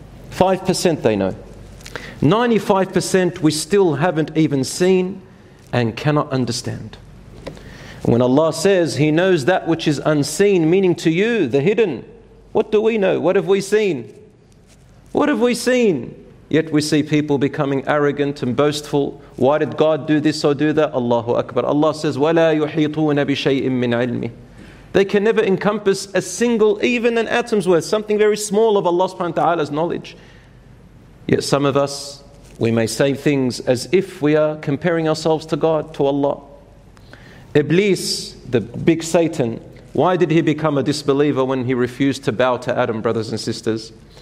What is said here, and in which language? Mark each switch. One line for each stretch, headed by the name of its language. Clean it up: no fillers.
English: 5% they know. 95% we still haven't even seen and cannot understand. When Allah says He knows that which is unseen, meaning to you, the hidden, what do we know? What have we seen? What have we seen? Yet we see people becoming arrogant and boastful. Why did God do this or do that? Allahu Akbar. Allah says,
Arabic: وَلَا يُحِيطُونَ بِشَيْءٍ مِّنْ عِلْمِ.
English: They can never encompass a single, even an atom's worth, something very small of Allah subhanahu wa ta'ala's knowledge. Yet some of us, we may say things as if we are comparing ourselves to God, to Allah. Iblis, the big Satan, why did he become a disbeliever when he refused to bow to Adam, brothers and sisters?